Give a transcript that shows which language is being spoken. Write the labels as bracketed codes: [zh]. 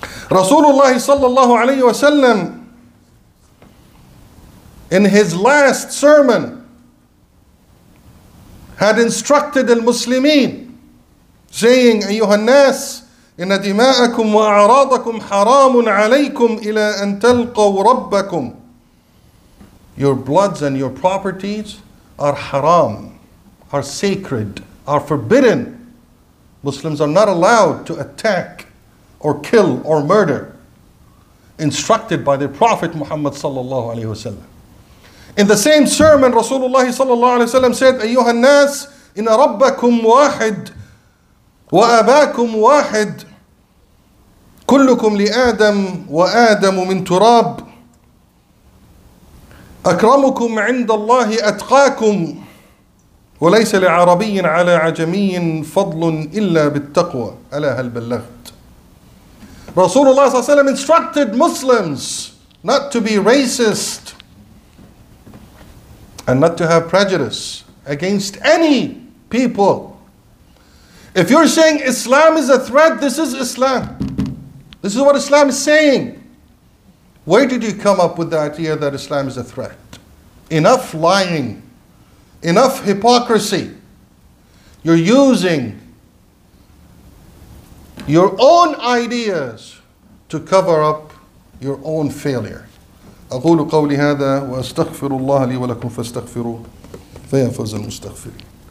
[en] Rasulullah sallallahu alayhi wa sallam, in his last sermon, had instructed al-Muslimin, saying, [ar] أيها الناس, إن دماءكم وأعراضكم حرام عليكم إلى أن تلقوا ربكم. [en] Your bloods and your properties are haram, are sacred, are forbidden. Muslims are not allowed to attack or kill or murder. Instructed by the Prophet Muhammad sallallahu alayhi wa sallam. In the same sermon, Rasulullah sallallahu alayhi wa sallam said, [ar] أَيُّهَا النَّاسِ إِنَّ رَبَّكُمْ وَاحِدٌ وَأَبَاكُمْ وَاحِدٌ كُلُّكُمْ لِآدَمُ وَآدَمُ مِنْ تُرَابٍ أكرمكم عند الله أتقاكم وليس لعربي على عجمي فضل إلا بالتقوى ألا هل بلغت. رسول الله صلى الله عليه وسلم [en] instructed Muslims not to be racist and not to have prejudice against any people. If you're saying Islam is a threat, this is Islam. This is what Islam is saying. Where did you come up with the idea that Islam is a threat? Enough lying, enough hypocrisy. You're using your own ideas to cover up your own failure. [ar] أقول قولي هذا وأستغفر الله لي ولكم فاستغفروا فيا فوز المستغفرين.